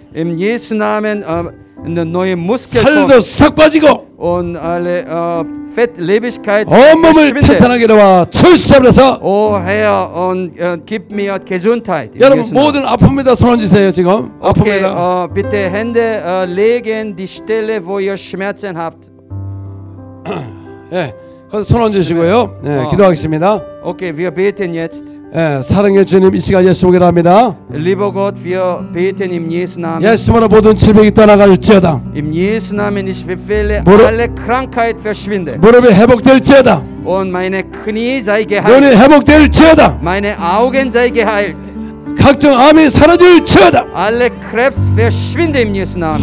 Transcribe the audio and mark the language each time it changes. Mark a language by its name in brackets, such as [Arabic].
[German] im Jesu Namen eine neue Muskel. [Korean] 살도 싹 빠지고 [German] und alle Fettlebigkeit. [Korean] 온몸을 튼튼하게 되와 출시하면서 [German] 오 헤어 und gib mir Gesundheit. [Korean] 여러분 모든 아픔에다 손을 주세요 지금. [English] Okay, [Korean] 아픔에다. [German] Bitte Hände legen die Stelle wo ihr Schmerzen habt. [Korean] 예, 그래서 손 얹으시고요. 네, 기도하겠습니다. [German] Okay, wir beten jetzt. [Korean] 예, 사랑해 주님 이 시간 예수 보기를 합니다. [German] Lieber Gott, wir beten im Jesu Namen. [Korean] 예수만의 모든 질병이 떠나갈지어다. [German] Im Jesu Namen ich befehle alle Krankheit verschwinde. [Korean] 무릎이 회복될지어다. [German] Und meine Knie sei geheilt. [Korean] 눈이 회복될지어다. [German] Meine Augen sei geheilt. [Korean] 각종 암이 사라질지어다. [German] Alle Krebs verschwinde im Jesu Namen.